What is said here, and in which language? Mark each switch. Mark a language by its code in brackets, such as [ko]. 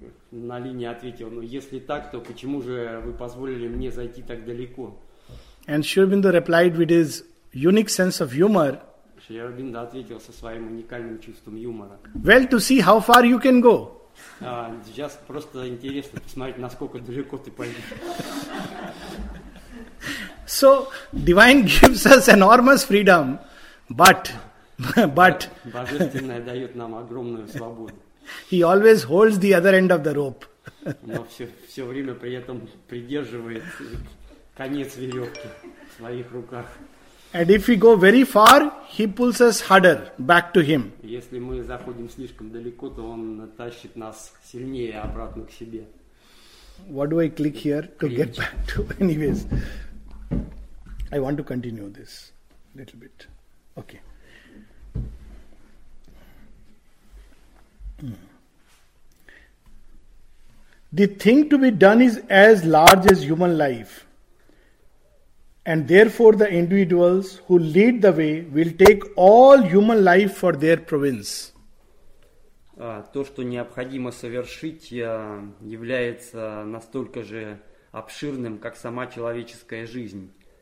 [ru] Налини ответил, ну если так, то почему же вы позволили мне зайти так далеко? [en] And Sri Aurobindo replied with his unique sense of humor. [ru] Шри Аурабиндо ответил со своим уникальным чувством юмора. [en] Well, to see how far you can go. [ru] Сейчас просто интересно посмотреть, насколько далеко ты пойдешь. [en] So, divine gives us enormous freedom, but. [ru] Божественное дает нам огромную свободу. [en] He always holds the other end of the rope. [ru] Но все время при этом придерживает конец веревки в своих руках. [en] And if we go very far, he pulls us harder back to him. [ru] Если мы заходим слишком далеко, то он тащит нас сильнее обратно к себе. [en] What do I click here to Клич. Get back to? Anyways, I want to continue this little bit. Okay. The thing to be done is as large as human life. And therefore the individuals who lead the way will take all human life for their province. [ru] То, что необходимо совершить, является настолько же обширным, как сама человеческая жизнь.